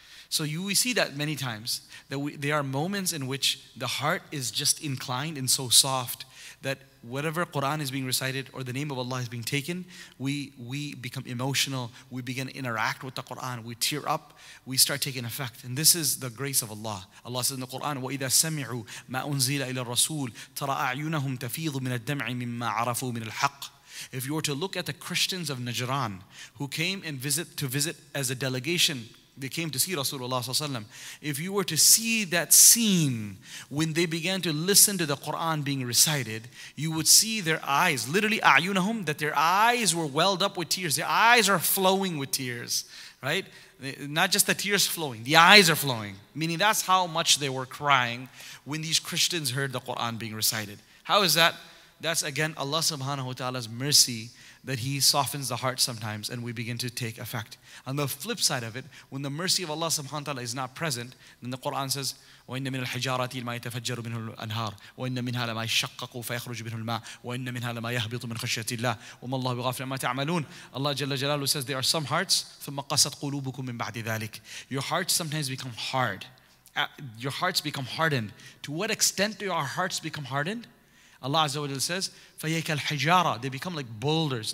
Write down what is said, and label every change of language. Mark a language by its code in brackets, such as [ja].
[en] So we see that many times, that there are moments in which the heart is just inclined and so soft that whatever Quran is being recited or the name of Allah is being taken, we become emotional, we begin to interact with the Quran, we tear up, we start taking effect. And this is the grace of Allah. Allah says in the Quran, [ar] وَإِذَا سَمِعُوا مَا أُنزِلَ إِلَى الرَّسُولِ تَرَى أَعْيُنَهُمْ تَفِيضُ مِنَ الدَّمْعِ مِمَّا عَرَفُوا مِنَ الْحَقِّ. [en] If you were to look at the Christians of Najran who came and visit as a delegation, they came to see Rasulullah. If you were to see that scene when they began to listen to the Quran being recited, you would see their eyes, literally ayunahum, that their eyes were welled up with tears. Their eyes are flowing with tears, right? Not just the tears flowing, the eyes are flowing. Meaning that's how much they were crying when these Christians heard the Quran being recited. How is that? That's again Allah subhanahu wa ta'ala's mercy, that He softens the heart sometimes and we begin to take effect. On the flip side of it, when the mercy of Allah subhanahu wa ta'ala is not present, then the Quran says, [ar] وَإِنَّ مِنَ الْحِجَارَةِ مَا يَتَفَجَّرُ مِنْهُ الْأَنْهَارُ وَإِنَّ مِنْهَا لَمَا يَشَقَّقُ فَيَخْرُجُ مِنْهُ الْمَاءُ وَإِنَّ مِنْهَا لَمَا يَهْبِطُ مِنْ خَشْيَةِ اللَّهِ وَمَا اللَّهُ بِغَافِلٍ عَمَّا تَعْمَلُونَ. [en] Allah Jalla Jalalu says, there are some hearts, [ar] ثُمَّ قَسَتْ قُلُوبُكُمْ مِنْ بَعْدِ ذَلِكَ. [en] Your hearts sometimes become hard. Your hearts become hardened. To what extent do our hearts become hardened? Allah Azza wa Jalla says, [ar] فَيَكَ الْحِجَارَةِ. [en] They become like boulders.